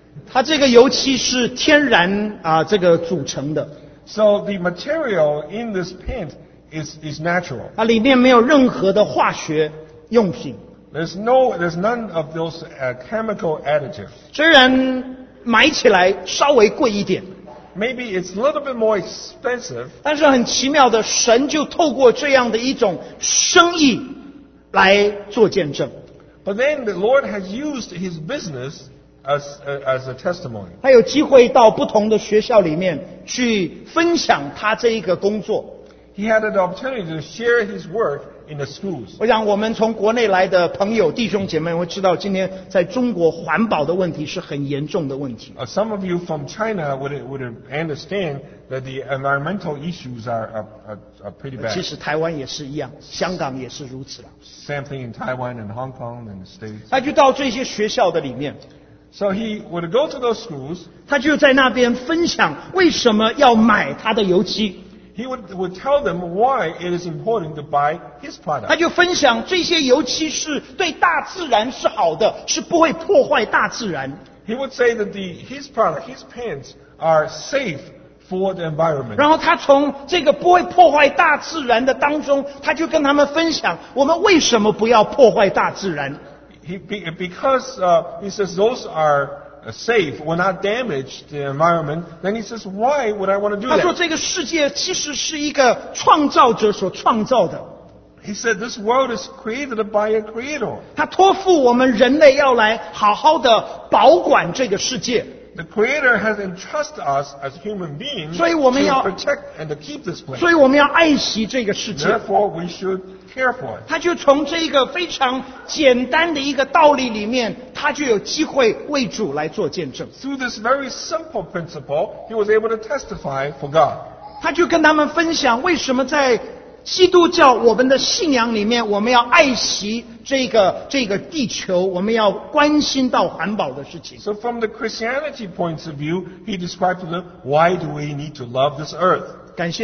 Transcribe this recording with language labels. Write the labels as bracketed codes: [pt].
[zh] 它这个油漆是天然这个组成的。 [en] So the material in this paint is natural. [zh] 它里面没有任何的化学用品。 [en] There's none of those chemical additives. [zh] 虽然买起来稍微贵一点。 [en] Maybe it's a little bit more expensive. [zh] 但是很奇妙的，神就透过这样的一种生意来做见证。 [en] But then the Lord has used his business as a testimony. [zh] 他有机会到不同的学校里面去分享他这一个工作。 [en] He had an opportunity to share his work in the schools. [zh] 我想我们从国内来的朋友弟兄姐妹会知道，今天在中国环保的问题是很严重的问题。 [en] Some of you from China would understand that the environmental issues are pretty bad. [zh] 其实台湾也是一样，香港也是如此了。 [en] Same thing in Taiwan and Hong Kong and the States. [zh] 他就到这些学校的里面。 [en] So he would go to those schools. [zh] 他就在那边分享为什么要买他的油漆。 [en] He would tell them why it is important to buy his product. [zh] 他就分享这些油漆是对大自然是好的，是不会破坏大自然。 [en] He would say that his product, his paints are safe for the environment. [zh] 然后他从这个不会破坏大自然的当中，他就跟他们分享我们为什么不要破坏大自然。 [en] Because he says those are safe, will not damage the environment, then he says, why would I want to do that? [zh] 他说这个世界其实是一个创造者所创造的。 [en] He said, this world is created by a creator. [zh] 他托付我们人类要来好好的保管这个世界。 [en] the Creator has entrusted us as human beings to protect and to keep this place. [zh] 所以我们要爱惜这个世界。 [en] Therefore, we should care for it. [zh] 他就从这个非常简单的一个道理里面, 他就有机会为主来做见证。 [en] Through this very simple principle, he was able to testify for God. [zh] 他就跟他们分享为什么在 基督教我们的信仰里面，我们要爱惜这个地球，我们要关心到环保的事情。 [en] So from the Christianity point of view, he described to them, why do we need to love this earth?